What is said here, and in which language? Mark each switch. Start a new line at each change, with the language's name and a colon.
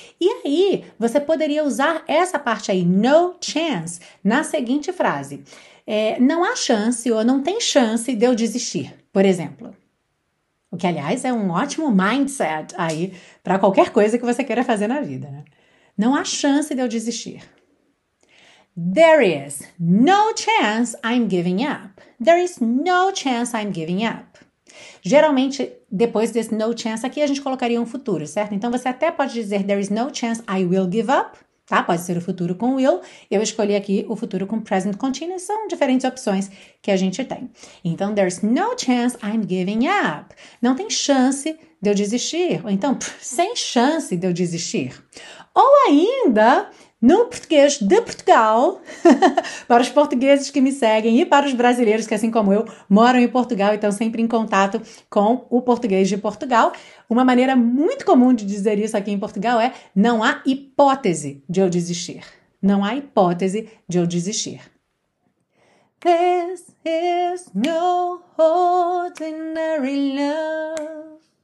Portuguese: E aí, você poderia usar essa parte aí, no chance, na seguinte frase. Não há chance ou não tem chance de eu desistir, por exemplo. O que, aliás, é um ótimo mindset aí para qualquer coisa que você queira fazer na vida, né? Não há chance de eu desistir.
English: There is no chance I'm giving up. There is no chance I'm giving up.
Portuguese: Geralmente, depois desse no chance aqui, a gente colocaria um futuro, certo? Então, você até pode dizer,
English: there is no chance I will give up,
Portuguese: tá? Pode ser o futuro com will. Eu escolhi aqui o futuro com present continuous. São diferentes opções que a gente tem. Então,
English: there is no chance I'm giving up.
Portuguese: Não tem chance de eu desistir. Ou então, sem chance de eu desistir. Ou ainda, no português de Portugal, para os portugueses que me seguem e para os brasileiros que, assim como eu, moram em Portugal e estão sempre em contato com o português de Portugal, uma maneira muito comum de dizer isso aqui em Portugal é: não há hipótese de eu desistir. Não há hipótese de eu desistir.
English: This is no ordinary love.